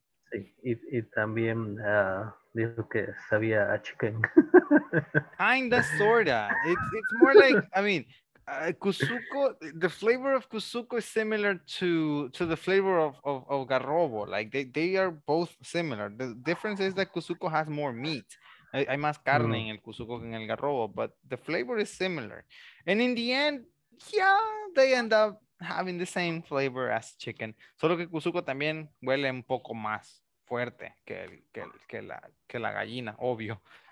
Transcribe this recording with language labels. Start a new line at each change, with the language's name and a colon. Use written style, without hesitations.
Spanish: Sí, y también dijo que sabía a chicken.
English: Kinda, sorta. It's more like, I mean, cuzuco, the flavor of cuzuco is similar to the flavor of garrobo. Like, they are both similar. The difference is that cuzuco has more meat.
Spanish: Hay más carne en el cuzuco que en el garrobo,
English: but the flavor is similar. And in the end, yeah, they end up having the same flavor as chicken.
Spanish: Solo que el cuzuco también huele un poco más fuerte que la gallina, obvio.